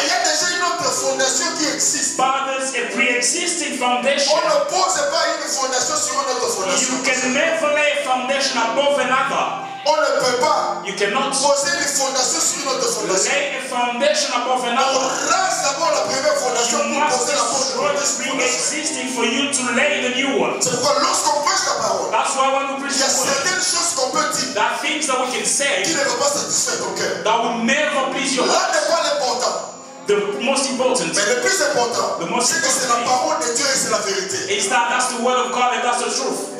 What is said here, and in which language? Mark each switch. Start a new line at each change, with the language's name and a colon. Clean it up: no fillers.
French: Mais il y a déjà une autre fondation qui existe.
English: But there's a pre-existing foundation.
French: On ne pose pas une fondation sur une autre fondation.
English: You can never lay a foundation above another.
French: On ne peut pas.
English: You cannot
French: poser une fondation sur une autre fondation.
English: Lay a foundation above another.
French: On rase d'abord la première fondation.
English: You
French: pour poser la fondation
English: pre-existing for you to lay the new one.
French: C'est pourquoi lorsqu'on prêche la parole,
English: that's why when we preach the word,
French: il y a certaines choses qu'on peut dire.
English: There are things that we can say that will never please your heart. The most important,
French: mais le plus important,
English: the most
French: c'est que important c'est la parole de Dieu et c'est la vérité.
English: Is that that's the word of God and that's the truth.